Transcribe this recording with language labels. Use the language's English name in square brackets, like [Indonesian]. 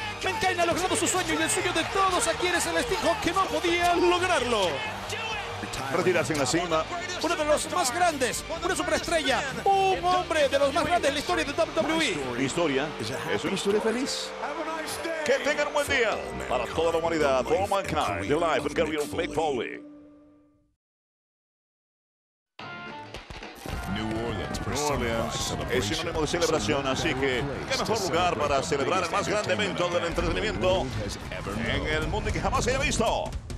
[Spanish] Mankind ha logrado su sueño y el sueño de todos aquí en el Sting Hawk que no podía lograrlo. Retirarse en la cima. Uno de los más grandes, una superestrella, un hombre de los más grandes en la historia de WWE. Mi historia es una historia feliz. Que tengan un buen día para toda la humanidad. [English] For all mankind, the life and career of Mick Foley. [Spanish] New Orleans es sinónimo de celebración, así que qué mejor lugar para celebrar el más grande evento del entretenimiento en el mundo que jamás haya visto.